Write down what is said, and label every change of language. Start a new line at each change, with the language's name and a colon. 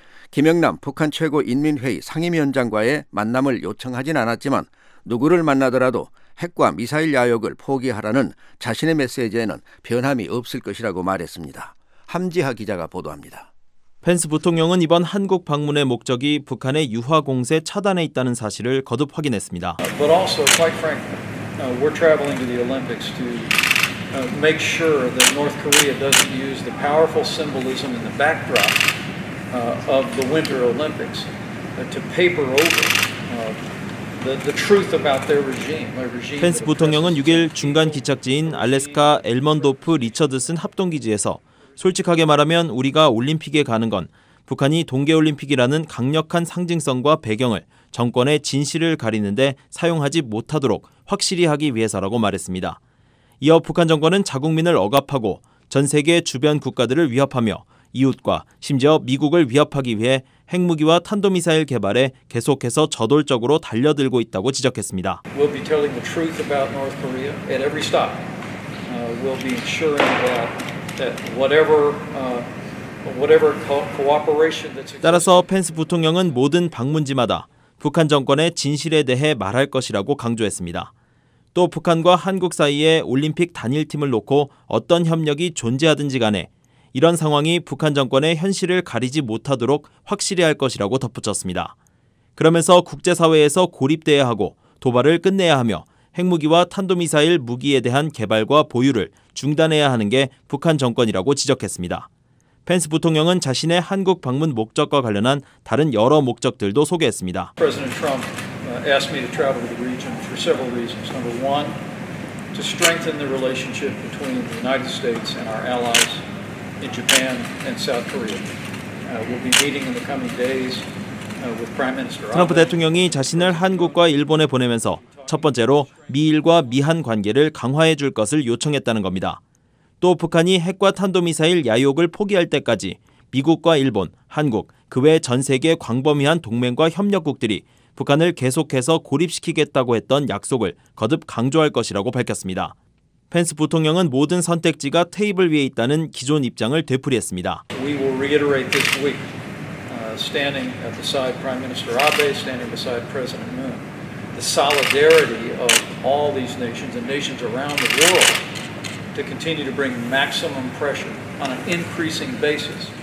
Korean: 김영남 북한 최고인민회의 상임위원장과의 만남을 요청하진 않았지만 누구를 만나더라도 핵과 미사일 야욕을 포기하라는 자신의 메시지에는 변함이 없을 것이라고 말했습니다. 함지하 기자가 보도합니다. 펜스 부통령은 이번 한국 방문의 목적이 북한의 유화 공세 차단에 있다는 사실을 거듭 확인했습니다.
English: But also, quite frankly, we're traveling to the Olympics to make sure that North Korea doesn't use the powerful symbolism in the backdrop of the Winter Olympics to paper over the truth about their regime.
Korean: 펜스 부통령은 6일 중간 기착지인 알래스카 엘먼도프 리처드슨 합동기지에서 솔직하게 말하면 우리가 올림픽에 가는 건 북한이 동계올림픽이라는 강력한 상징성과 배경을 정권의 진실을 가리는데 사용하지 못하도록 확실히 하기 위해서라고 말했습니다. 이어 북한 정권은 자국민을 억압하고 전 세계 주변 국가들을 위협하며 이웃과 심지어 미국을 위협하기 위해 핵무기와 탄도미사일 개발에 계속해서 저돌적으로 달려들고 있다고 지적했습니다.
English: We'll be telling the truth about North Korea at every stop. We'll be ensuring that whatever cooperation that's
Korean: 따라서 펜스 부통령은 모든 방문지마다 북한 정권의 진실에 대해 말할 것이라고 강조했습니다. 또 북한과 한국 사이에 올림픽 단일팀을 놓고 어떤 협력이 존재하든지 간에 이런 상황이 북한 정권의 현실을 가리지 못하도록 확실히 할 것이라고 덧붙였습니다. 그러면서 국제사회에서 고립돼야 하고 도발을 끝내야 하며 핵무기와 탄도미사일 무기에 대한 개발과 보유를 중단해야 하는 게 북한 정권이라고 지적했습니다. 펜스 부통령은 자신의 한국 방문 목적과 관련한 다른 여러 목적들도 소개했습니다.
English: President Trump asked me to travel to the region for several reasons. Number one, to strengthen the relationship between the United States and our allies in Japan and South Korea. We'll be meeting in the coming days with Prime Minister Abe.
Korean: 트럼프 대통령이 자신을 한국과 일본에 보내면서 첫 번째로 미일과 미한 관계를 강화해 줄 것을 요청했다는 겁니다. 또 북한이 핵과 탄도미사일 야욕을 포기할 때까지 미국과 일본, 한국, 그 외 전 세계 광범위한 동맹과 협력국들이 북한을 계속해서 고립시키겠다고 했던 약속을 거듭 강조할 것이라고 밝혔습니다. 펜스 부통령은 모든 선택지가 테이블 위에 있다는 기존 입장을 되풀이했습니다.
English: We will reiterate this week, standing at the side of Prime Minister Abe, standing beside President Moon. The solidarity of all these nations and nations around the world to continue to bring maximum pressure on an increasing basis.